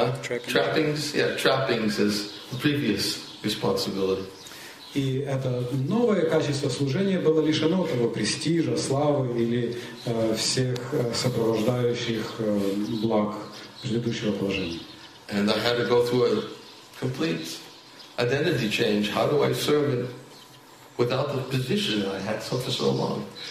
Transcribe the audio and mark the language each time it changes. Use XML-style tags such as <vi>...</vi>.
<en>Trappings as previous responsibility.</en> <ru>И это новое качество служения было лишено того престижа, славы или всех сопровождающих благ предыдущего положения.</ru> <en>And I had to go through a complete identity change. How do I serve it without the position I had for so long?</en>